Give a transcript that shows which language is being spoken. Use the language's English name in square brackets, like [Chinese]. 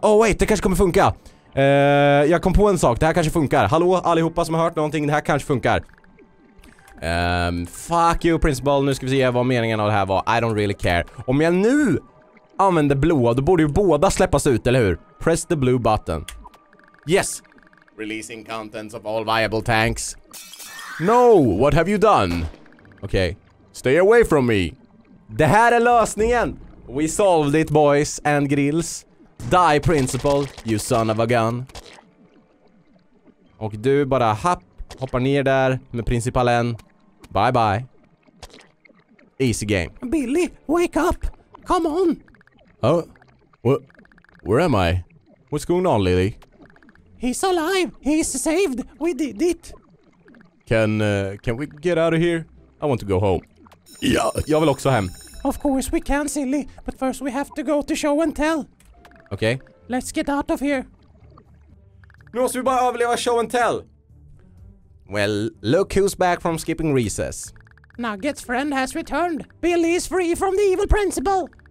[Swedish] Oh wait, det kanske kommer funka. Jag kom på en sak. Det här kanske funkar. Hallå allihopa som har hört någonting. Det här kanske funkar. [English] Fuck you, principal. [Swedish] Nu ska vi se vad meningen av det här var. [English] I don't really care. [Swedish] Om jag nu använder blå, då borde ju båda släppas ut, eller hur? [English] Press the blue button. Yes. Releasing contents of all viable tanks. No, what have you done? Okay. Stay away from me. [Swedish] Det här är lösningen. [English] We solved it, boys and grills. Die, principal, you son of a gun. [Swedish] Och du bara happ. Hoppar ner där med principalen. [English] Bye bye. Easy game. Billy, wake up. Come on. Oh, where am I? What's going on, Lily? He's alive. He's saved. We did it. Can we get out of here? I want to go home. Yeah. [Swedish] Jag vill också hem. [English] Of course we can, silly. But first we have to go to show and tell. Okay. Let's get out of here. [Swedish] Nu måste vi bara överleva show and tell. [English] Well, look who's back from skipping recess. Nugget's friend has returned. Billy is free from the evil principal.